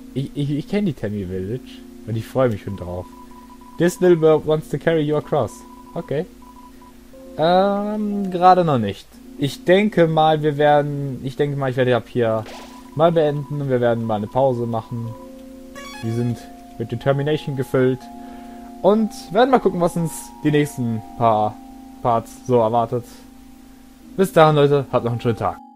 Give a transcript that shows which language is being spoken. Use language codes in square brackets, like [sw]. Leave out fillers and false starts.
[de] Ich kenne die Tammy Village und ich freue mich schon drauf. [en] This little bird wants to carry you across. [de] Okay. Gerade noch nicht. Ich denke mal, ich werde ab hier mal beenden und wir werden mal eine Pause machen. Wir sind mit Determination gefüllt und werden mal gucken, was uns die nächsten paar Parts so erwartet. Bis dahin, Leute, habt noch einen schönen Tag.